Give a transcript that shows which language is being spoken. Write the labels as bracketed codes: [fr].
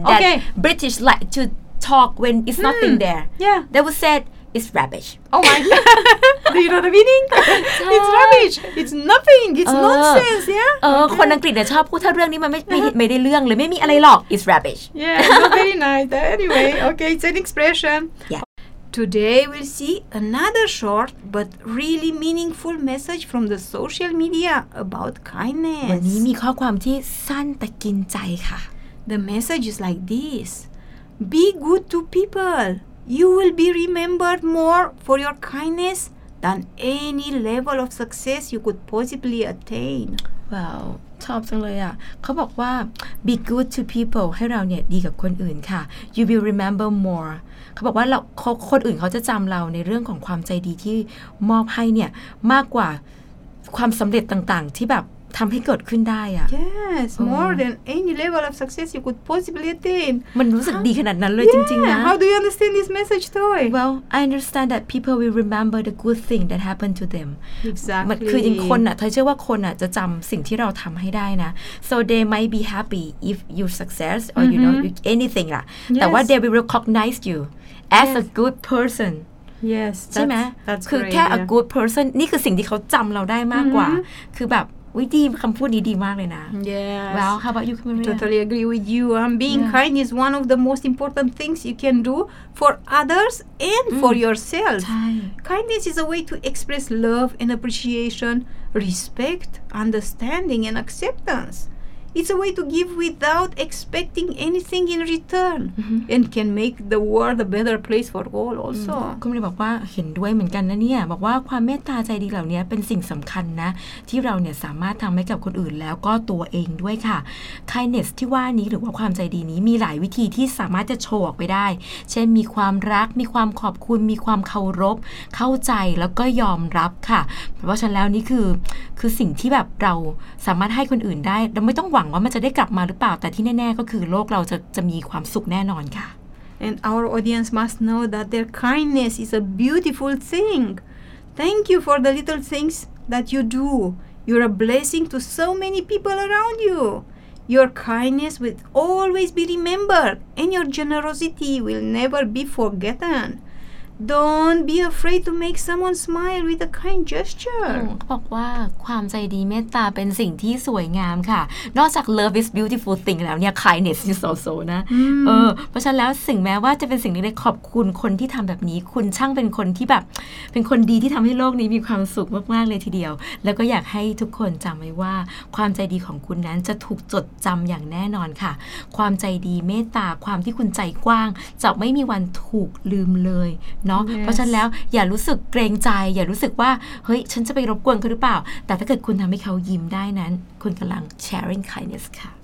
[en] yes. that okay. British like to talk when it's nothing there yeah that was saidIt's rubbish. Oh my God. Do you know the meaning? It's rubbish. It's nothing. It's nonsense. Yeah. [th] คนอังกฤษเนี่ยชอบพูดถ้าเรื่องนี้มันไม่ได้เรื่องเลยไม่มีอะไรหรอก [en] It's rubbish. Yeah. Not very nice. Anyway, okay. It's an expression. Yeah. Today we'll see another short but really meaningful message from the social media about kindness. [th] วันนี้มีข้อความที่สั้นแต่กินใจค่ะ [en] The message is like this: Be good to people. You will be remembered more for your kindness than any level of success you could possibly attain. [th] Wow, ชอบจังเลยอ่ะเขาบอกว่า [en] be good to people [th] ให้เราเนี่ยดีกับคนอื่นค่ะ [en] You will remember more. [th] เขาบอกว่าเราคนอื่นเขาจะจำเราในเรื่องของความใจดีที่มอบให้เนี่ยมากกว่าความสำเร็จต่างๆที่แบบทำให้เกิดขึ้นได้อะ [en] Yes more than any level of success you could possibly attain [th] มันรู้สึกดีขนาดนั้นเลยจริงๆนะ [en] How do you understand this message Toy Well I understand that people will remember the good thing that happened to them Exactly [th] มันคือจริงคนอะเธอเชื่อว่าคนอะจะจำสิ่งที่เราทำให้ได้นะ [en] So they might be happy if you success or you know you anything [th] ละ [en] yes. [th] แต่ว่า [en] they will recognize you as yes. a good person Yes [th] ใช่ไหมคือ แค่ a good person นี่คือสิ่งที่เขาจำเราได้มากกว่าคือแบบวิธีคำพูดนี้ดีมากเลยนะ [en] Yes Well, how about you, Camilla? I totally agree with you. Being kind is one of the most important things you can do for others and for yourself. Kindness is a way to express love and appreciation, respect, understanding and acceptance. It's a way to give without expecting anything in return and can make the world a better place for all also. [th] Camilla บอกว่าเห็นด้วยเหมือนกันนะเนี่ยบอกว่าความเมตตาใจดีเหล่านี้เป็นสิ่งสำคัญนะที่เราเนี่ยสามารถทำให้กับคนอื่นแล้วก็ตัวเองด้วยค่ะ Kindness ที่ว่านี้หรือว่าความใจดีนี้มีหลายวิธีที่สามารถจะโชว์ออกไปได้เช่นมีความรักมีความขอบคุณมีความเคารพเข้าใจแล้วก็ยอมรับค่ะเพราะฉะนั้นแล้วนี่คือสิ่งที่แบบเราสามารถให้คนอื่นได้เราไม่ต้องหวังว่ามันจะได้กลับมาหรือเปล่าแต่ที่แน่ๆก็คือโลกเราจะมีความสุขแน่นอนค่ะ [en] And our audience must know that their kindness is a beautiful thing. Thank you for the little things that you do. You're a blessing to so many people around you. Your kindness will always be remembered and your generosity will never be forgotten. Don't be afraid to make someone smile with a kind gesture. [th] บอกว่าความใจดีเมตตาเป็นสิ่งที่สวยงามค่ะนอกจาก [en] love is beautiful thing [th] แล้วเนี่ย [en] kindness is also [th] นะเพราะฉะนั้นแล้วสิ่งแม้ว่าจะเป็นสิ่งเล็กๆขอบคุณคนที่ทำแบบนี้คุณช่างเป็นคนที่แบบ เป็นคนดีที่ทำให้โลกนี้มีความสุขมากๆเลยทีเดียวแล้วก็อยากให้ทุกคนจำไว้ว่าความใจดีของคุณนั้นจะถูกจดจำอย่างแน่นอนค่ะความใจดีเมตตาความที่คุณใจกว้างจะไม่มีวันถูกลืมเลยเนาะ yes. เพราะฉะนั้นแล้วอย่ารู้สึกเกรงใจอย่ารู้สึกว่าเฮ้ยฉันจะไปรบกวนเขาหรือเปล่าแต่ถ้าเกิดคุณทำให้เขายิ้มได้นั้นคุณกำลัง sharing kindness ค่ะ